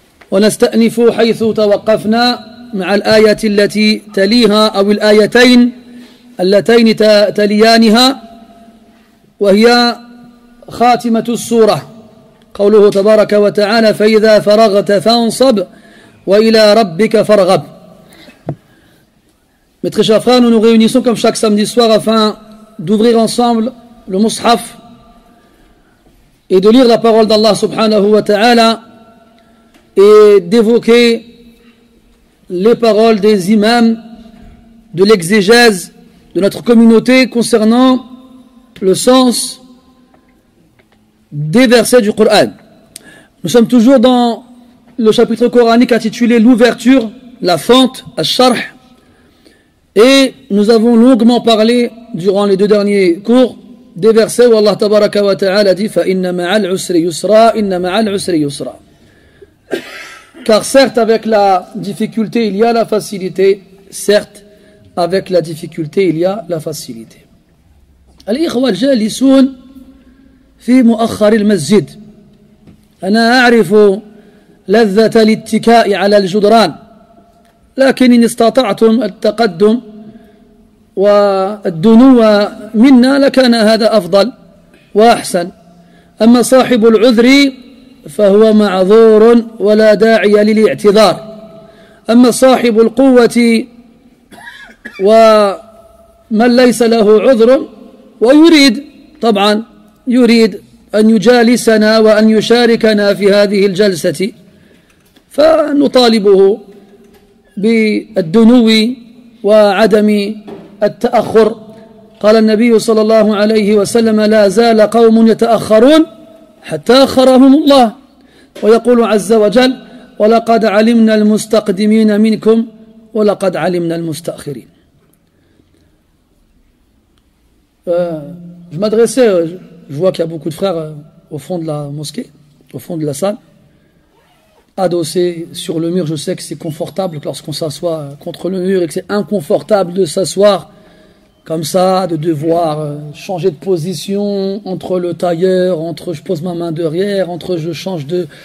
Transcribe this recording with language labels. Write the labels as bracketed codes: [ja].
[ar] ونستأنف حيث توقفنا مع الآية التي تليها، أو الآيتين اللتين تليانها، وهي خاتمة السورة، قوله تبارك وتعالى: فإذا فرغت فانصب وإلى ربك فارغب. [fr] Mes très chers frères, nous nous réunissons comme chaque samedi soir afin d'ouvrir ensemble le mushaf et de lire la parole d'Allah subhanahu wa ta'ala et d'évoquer les paroles des imams, de l'exégèse de notre communauté concernant le sens des versets du Coran. Nous sommes toujours dans le chapitre coranique intitulé l'ouverture, la fente, al-sharh, et nous avons longuement parlé durant les deux derniers cours des versets où Allah tabaraka wa ta'ala dit [ar] fa inna ma'al usri yusra, [fr] inna ma'al usri yusra. Car certes avec la difficulté il y a la facilité, certes avec la difficulté il y a la facilité. [ar] Al-ikhwa al-jalisoun في مؤخر المسجد، أنا أعرف لذة الاتكاء على الجدران، لكن إن استطعتم التقدم والدنو منا لكان هذا أفضل وأحسن. أما صاحب العذر فهو معذور ولا داعي للاعتذار، أما صاحب القوة ومن ليس له عذر ويريد، طبعا يريد أن يجالسنا وأن يشاركنا في هذه الجلسة، فنطالبه بالدنو وعدم التأخر. قال النبي صلى الله عليه وسلم: لا زال قوم يتأخرون حتى أخرهم الله. ويقول عز وجل: ولقد علمنا المستقدمين منكم ولقد علمنا المستأخرين. [fr] Je vois qu'il y a beaucoup de frères au fond de la mosquée, au fond de la salle, adossés sur le mur. Je sais que c'est confortable lorsqu'on s'assoit contre le mur et que c'est inconfortable de s'asseoir comme ça, de devoir changer de position entre le tailleur, entre je pose ma main derrière, entre je change de...